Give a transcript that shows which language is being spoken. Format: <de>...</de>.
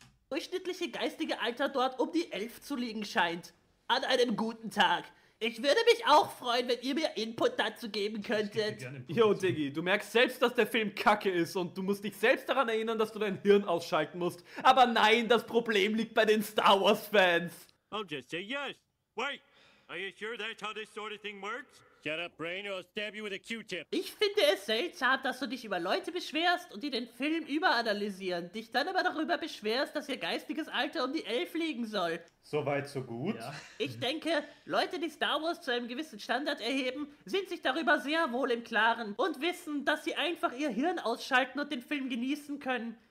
<de>Durchschnittliche geistige Alter dort um die 11 zu liegen scheint. An einem guten Tag. Ich würde mich auch freuen, wenn ihr mir Input dazu geben könntet. Yo, Diggi, du merkst selbst, dass der Film kacke ist und du musst dich selbst daran erinnern, dass du dein Hirn ausschalten musst. Aber nein, das Problem liegt bei den Star Wars Fans.</de> <en>I'll just say yes. Wait, are you sure that's how this sort of thing works? Shut up, brain, or I'll stab you with a Q-tip.</en> <de>Ich finde es seltsam, dass du dich über Leute beschwerst und die den Film überanalysieren, dich dann aber darüber beschwerst, dass ihr geistiges Alter um die 11 liegen soll. Soweit, so gut. Ja. Ich denke, Leute, die Star Wars zu einem gewissen Standard erheben, sind sich darüber sehr wohl im Klaren und wissen, dass sie einfach ihr Hirn ausschalten und den Film genießen können.</de>